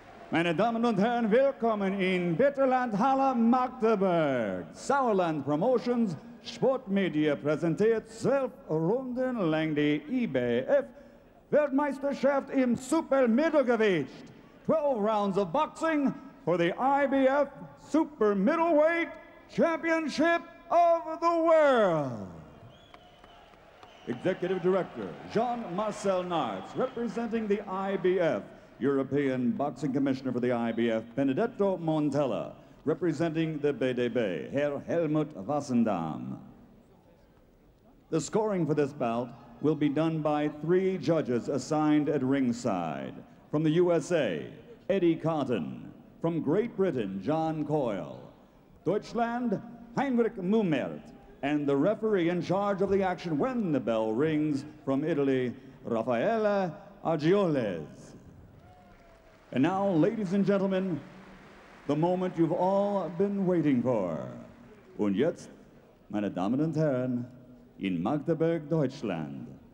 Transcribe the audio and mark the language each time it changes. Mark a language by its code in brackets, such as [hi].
[de] Meine Damen und Herren, willkommen in Bitterlandhalle Magdeburg. Sauerland Promotions Sportmedia präsentiert 12 Runden lang die IBF Weltmeisterschaft im Supermittelgewicht. [en] 12 rounds of boxing for the IBF Super Middleweight Championship of the world. Executive Director Jean-Marcel Nartz, representing the IBF, European Boxing Commissioner for the IBF, Benedetto Montella, representing the BDB, Herr Helmut Wassendam. The scoring for this bout will be done by three judges assigned at ringside. From the USA, Eddie Cotton. From Great Britain, John Coyle. Deutschland, Heinrich Mummert, and the referee in charge of the action when the bell rings, from Italy, Raffaele Agioles. And now, ladies and gentlemen, the moment you've all been waiting for. [de] Und jetzt, meine Damen und Herren, in Magdeburg, Deutschland.